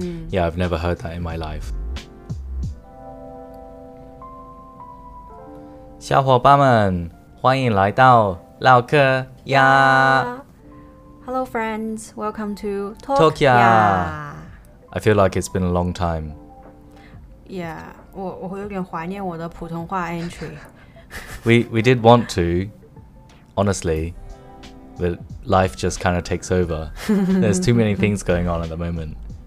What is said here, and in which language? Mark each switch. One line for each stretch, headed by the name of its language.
English: Yeah, I've never heard that in my life.
Chinese: 小伙伴们，欢迎来到唠嗑呀。
English: Hello friends, welcome to Tokyo. I feel like it's been a long time.
Chinese: Yeah, 我有点怀念我的普通话 entry.
English: we did want to, honestly, but life just kind of takes over. There's too many things going on at the moment.